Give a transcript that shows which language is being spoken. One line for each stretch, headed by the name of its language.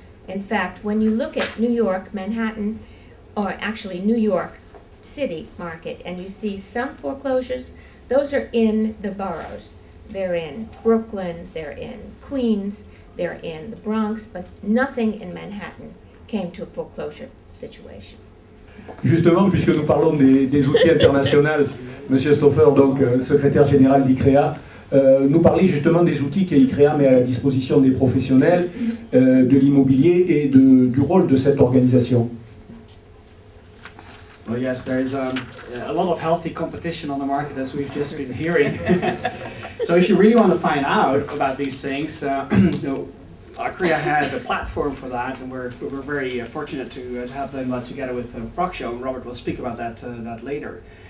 English: In fact, when you look at New York, Manhattan, or actually New York City market, and you see some foreclosures, those are in the boroughs. They're in Brooklyn, they're in Queens, they're in the Bronx, but nothing in Manhattan came to a foreclosure situation.
French: Justement, puisque nous parlons des outils internationaux, Monsieur Stoffer, donc secrétaire général d'ICREA, nous parlait justement des outils que ICREA met à la disposition des professionnels de l'immobilier et du rôle de cette organisation.
English: Well, yes, there is a lot of healthy competition on the market, as we've just been hearing. So if you really want to find out about these things, ICREA has a platform for that, and we're very fortunate to have them together with Proxio, and Robert will speak about that later.